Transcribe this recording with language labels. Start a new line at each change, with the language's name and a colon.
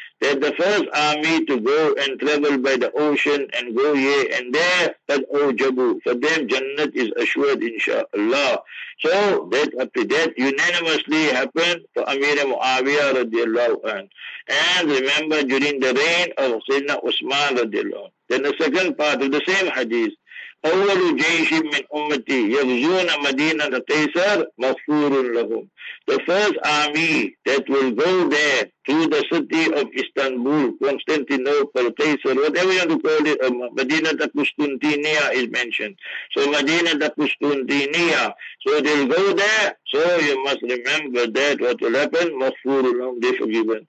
English: That the first army to go and travel by the ocean and go here and there, that ojabu. For them, Jannat is assured, inshaAllah. So that after that unanimously happened for Amir Muawiyah radiallahu anhu. And remember during the reign of Sayyidina Usman radiallahu anhu. Then the second part of the same hadith.
Arabic: أول جيش من أمتي يغزون مدينة قيصر مغفور لهم.
English: The first army that will go there to the city of Istanbul, Constantinople, Qaisar, whatever you want to call it, Medina da Qustuntinia is mentioned. So Medina da Qustuntinia. So they'll go there. So you must remember that what will happen,
Arabic: مغفور لهم,
English: they're forgiven.